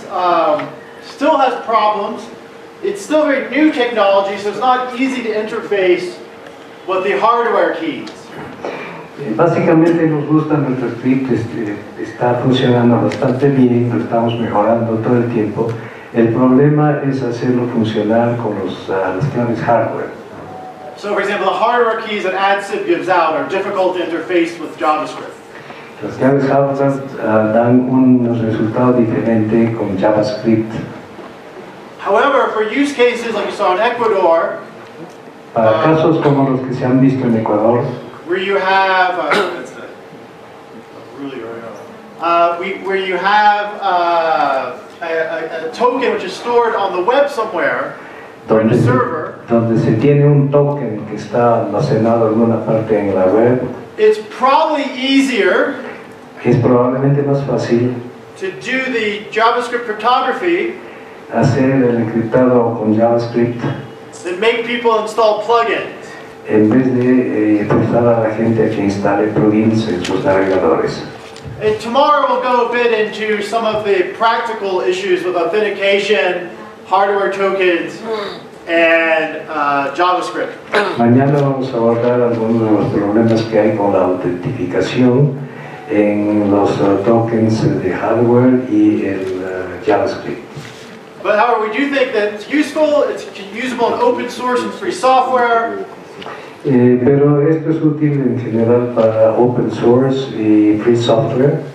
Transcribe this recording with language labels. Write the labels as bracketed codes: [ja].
[en] It still has problems. It's still very new technology, so it's not easy to interface what the hardware needs. [es] Básicamente nos gusta nuestro script, está funcionando bastante bien, lo estamos mejorando todo el tiempo. El problema es hacerlo funcionar con las claves hardware. [en] So for example, the hardware keys that ADSIB gives out are difficult to interface with JavaScript. [es] Las claves hardware dan un resultado diferente con JavaScript. [en] However, for use cases like you saw in Ecuador, [es] para casos como los que se han visto en Ecuador, [en] where you have a token which is stored on the web somewhere, [es] donde se, tiene un token que está almacenado en alguna parte en la web, [en] it's probably easier. [es] Es probablemente más fácil [en] to do the JavaScript cryptography. [es] Hacer el encriptado con JavaScript. [en] Then make people install plugins. [es] En vez de forzar a la gente a que instale plugins en sus navegadores. [en] And tomorrow we'll go a bit into some of the practical issues with authentication, hardware tokens, and JavaScript. [es] Mañana vamos a abordar algunos de los problemas que hay con la autentificación en los tokens de hardware y el JavaScript. [en] But however, we do think that it's useful, it's usable in open source and free software. [es] Pero esto es útil en general para open source y free software.